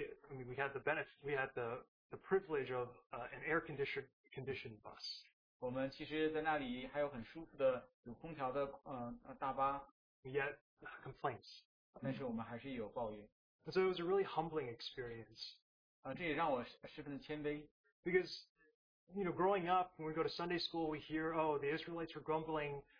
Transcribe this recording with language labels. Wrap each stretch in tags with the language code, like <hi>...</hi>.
<en>We had the privilege of an air conditioned bus.</en> <zh>我们其实在那里还有很舒服的有空调的大巴。</zh> <en>Yet complaints.</en> <zh>但是我们还是有抱怨。</zh> <en>And so it was a really humbling experience.</en> <zh>这也让我十分的谦卑。</zh> <en>Because you know, growing up, when we go to Sunday school, we hear, oh, the Israelites were grumbling.</en>